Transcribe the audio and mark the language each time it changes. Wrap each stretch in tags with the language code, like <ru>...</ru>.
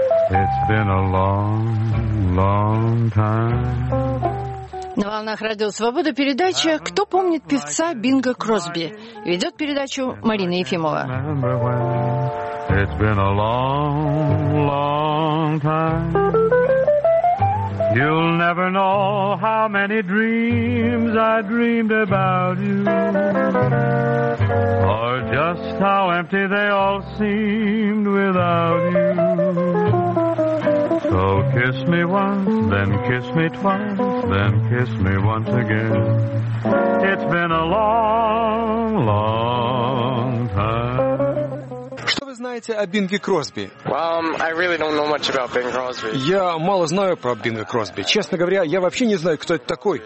<en>It's been a long, long time.</en> <ru>На волнах радио «Свобода» передача «Кто помнит певца Бинга Кросби?» Ведет передачу Марина Ефимова.</ru> <en>It's been a long, long time. You'll never know how many dreams I dreamed about you, or just how empty they all seemed without you. So kiss me once, then kiss me twice, then kiss me once again. It's been a long, long time.</en> <ru>Знаете о Бинге Кросби?</ru> <en>I really don't know much about Bing Crosby.</en> <ru>Я мало знаю про Бинга Кросби. Честно говоря, я вообще не знаю, кто это такой.</ru>